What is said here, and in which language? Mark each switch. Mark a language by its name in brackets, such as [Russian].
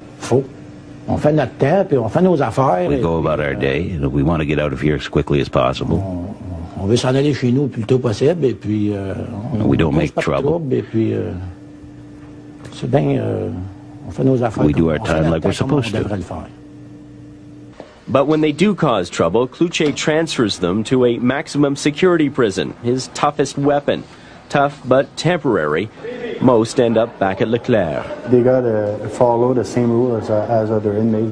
[English] We go about our day, and we want to get out of here as quickly as possible. [French] On veut s'en aller chez nous le plus tôt possible, et puis [English] we don't make trouble. [French] Et puis c'est bien, on fait nos affaires. [English] We do our time like we're supposed to. But when they do cause trouble, Cloutier transfers them to a maximum security prison, his toughest weapon. Tough but temporary. Most end up back at Leclerc. They gotta follow the same rules as other inmates.